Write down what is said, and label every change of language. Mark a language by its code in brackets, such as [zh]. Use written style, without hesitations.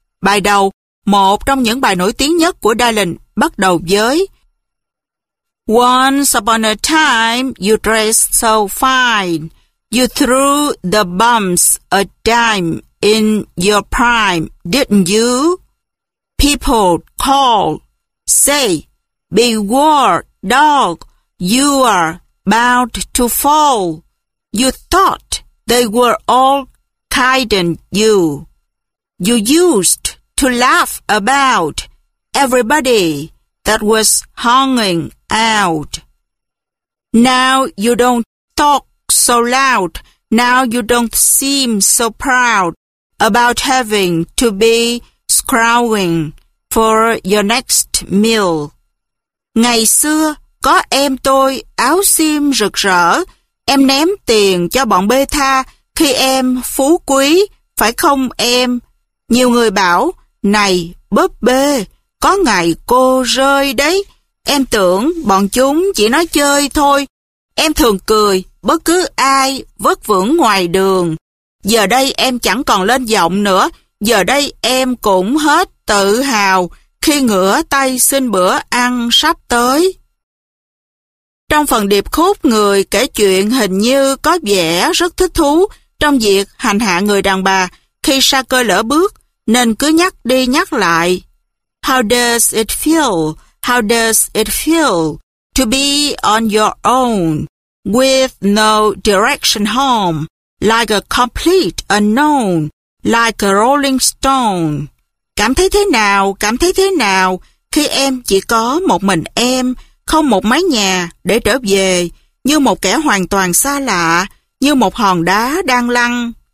[vi] Bài đầu, một trong những bài nổi tiếng nhất của Dylan, bắt đầu với [en] Once upon a time you dressed so fine, you threw the bums a dime in your prime, didn't you? People call, say, beware dog, you are bound to fall. You thought they were all kidding you. You used to laugh about everybody that was hanging out. Now you don't talk so loud. Now you don't seem so proud about having to be scrawling for your next meal. [vi] Ngày xưa, có em tôi áo xiêm rực rỡ. Em ném tiền cho bọn bê tha khi em phú quý, phải không em? Nhiều người bảo, này búp bê, có ngày cô rơi đấy. Em tưởng bọn chúng chỉ nói chơi thôi. Em thường cười bất cứ ai vất vưởng ngoài đường. Giờ đây em chẳng còn lên giọng nữa. Giờ đây em cũng hết tự hào khi ngửa tay xin bữa ăn sắp tới. Trong phần điệp khúc, người kể chuyện hình như có vẻ rất thích thú trong việc hành hạ người đàn bà khi sa cơ lỡ bước, nên cứ nhắc đi nhắc lại. [en] How does it feel? How does it feel to be on your own with no direction home, like a complete unknown, like a rolling stone? [vi] Cảm thấy thế nào? Cảm thấy thế nào khi em chỉ có một mình em, không một mái nhà để trở về, như một kẻ hoàn toàn xa lạ, như một hòn đá đang lăn.